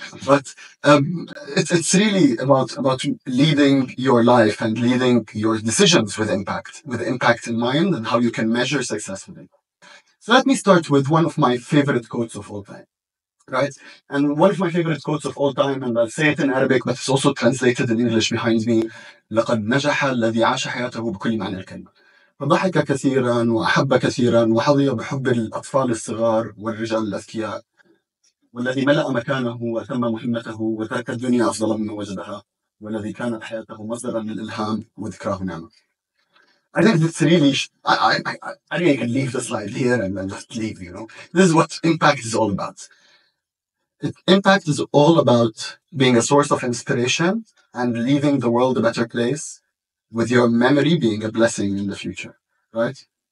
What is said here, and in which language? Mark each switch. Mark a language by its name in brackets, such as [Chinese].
[English] But it's really about leading your life and leading your decisions with impact in mind, and how you can measure success with impact. So let me start with one of my favorite quotes of all time. Right. And one of my favorite quotes of all time, and I'll say it in Arabic, but it's also translated in English behind me. [Arabic] لقد نجح الذي عاش حياته بكل معنى الكلمة. فضحك كثيرا وأحب كثيرا وحظي بحب الأطفال الصغار والرجال الأذكياء والذي ملأ مكانه وتم مهمته وترك الدنيا أفضل مما وجدها والذي كانت حياته مصدرا للإلهام وذكراه نعمة. [English] I think it's really, I think I can leave the slide here and then just leave, you know. This is what impact is all about. Impact is all about being a source of inspiration and leaving the world a better place with your memory being a blessing in the future, right?